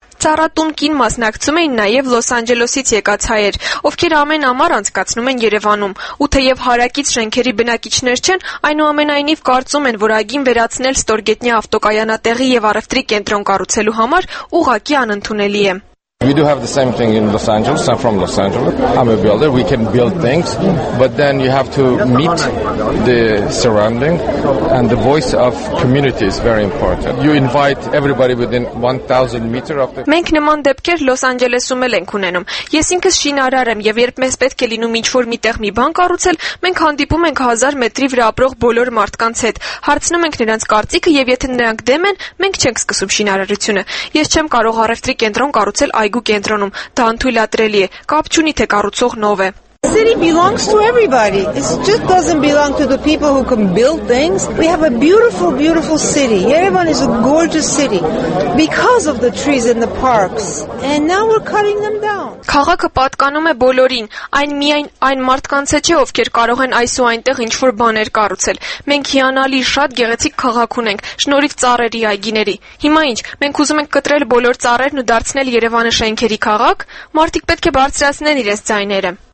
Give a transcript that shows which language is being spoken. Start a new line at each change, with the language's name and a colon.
Armenian: Ծառատուն կին մասնակցում էին նաև Լոս Անջելոսից եկած հայեր, ովքեր ամեն ամառ անցկացնում են Երևանում, ու թեև հարակից շենքերի բնակիչներ չեն, այնուամենայնիվ կարծում են, որ այգին վերացնել ստորգետնյա ավտոկայանատեղի եւ առևտրի կենտրոն կառուցելու համար ուղղակի անընդունելի է։
English: We do have the same thing in Los Angeles. I'm from Los Angeles. I'm a builder. We can build things, but then you have to meet the surrounding, and the voice of community is very important. You invite everybody within 1,000 meter of the.
Armenian: Մենք նման դեպքեր Los Angeles-ում ենք ունենում։ Ես ինքս շինարար եմ, եւ երբ մեզ պետք է լինում ինչ-որ միտեղ մի բան կառուցել, մենք հանդիպում ենք 1000 մետրի վրա ապրող բոլոր մարդկանց հետ։ Հարցնում ենք նրանց կարծիքը, եւ եթե նրանք դեմ են, մենք չենք սկսում շինարարությունը։ Ես չեմ կարող առևտրի կենտրոն կառուցել այգու կենտրոնում, դա անթույլատրելի է, կապ չունի թե կառուցող նով է։
English: The city belongs to everybody. It just doesn't belong to the people who can build things. We have a beautiful, beautiful city. Yerevan is a gorgeous city because of the trees and the parks. And now we're cutting them down.
Armenian: Քաղաքը պատկանում է բոլորին, այն միայն այն մարդկանց է չէ, ովքեր կարող են այս ու այնտեղ ինչ-որ բաներ կառուցել։ Մենք հիանալի շատ գեղեցիկ քաղաք ունենք, շնորհիվ ծառերի այգիների։ Հիմա ինչ, մենք ուզում ենք կտրել բոլոր ծառերն ու դարձնել Երևանը շենքերի քաղաք։ Մարդիկ պետք է բարձրացնեն իրենց ձայները։